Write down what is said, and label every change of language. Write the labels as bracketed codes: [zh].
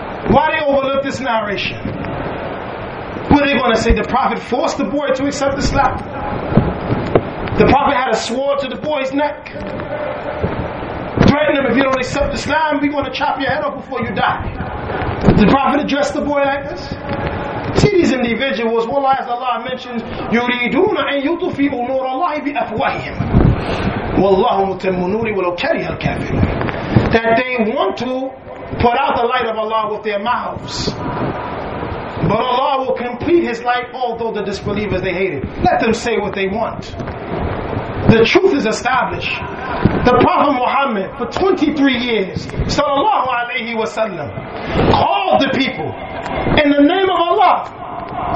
[en] Why do they overlook this narration? What are they going to say? The Prophet forced the boy to accept the slap. The Prophet had a sword to the boy's neck, threatening him, if you don't accept Islam, we're going to chop your head off before you die. The Prophet addressed the boy like this. See these individuals, wallahi, as Allah mentions, [ar] يُرِيدُونَ أَن يُطْفِئُوا نُورَ اللَّهِ بِأَفْوَاهِهِمْ وَاللَّهُ مُتِمُّ نُورِهِ وَلَوْ كَرِهَ الْكَافِرُونَ. [en] That they want to put out the light of Allah with their mouths, but Allah will complete His light, although the disbelievers, they hate it. Let them say what they want. The truth is established. The Prophet Muhammad, for 23 years, sallallahu alayhi wa sallam, called the people in the name of Allah.